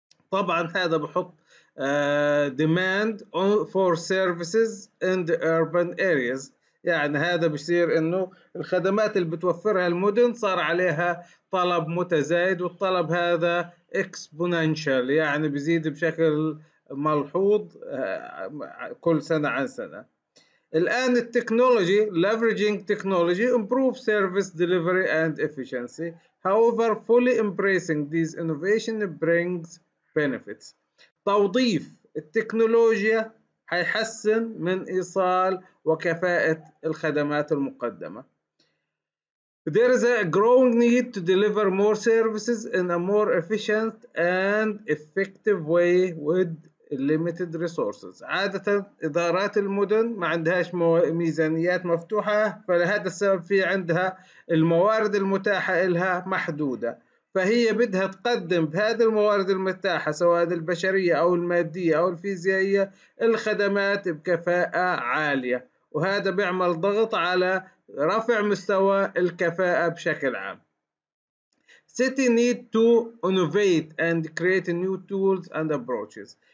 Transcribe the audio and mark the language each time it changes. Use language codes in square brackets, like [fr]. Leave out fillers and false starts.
[ar] طبعا هذا بحط [en] demand for services in the urban areas، [ar] يعني هذا بيصير انه الخدمات اللي بتوفرها المدن صار عليها طلب متزايد، والطلب هذا exponential يعني بيزيد بشكل ملحوظ كل سنة عن سنة. الآن التكنولوجي [en] leveraging technology improve service delivery and efficiency however fully embracing these innovation brings benefits. [ar] توظيف التكنولوجيا هيحسن من إيصال وكفاءة الخدمات المقدمة. [en] There is a growing need to deliver more services in a more efficient and effective way with limited resources. [ar] عادة إدارات المدن ما عندهاش ميزانيات مفتوحة، فلهذا السبب في عندها الموارد المتاحة إلها محدودة، فهي بدها تقدم بهذه الموارد المتاحة سواء البشرية أو المادية أو الفيزيائية الخدمات بكفاءة عالية، وهذا بيعمل ضغط على رفع مستوى الكفاءة بشكل عام. [en] City need to innovate and create new tools and approaches.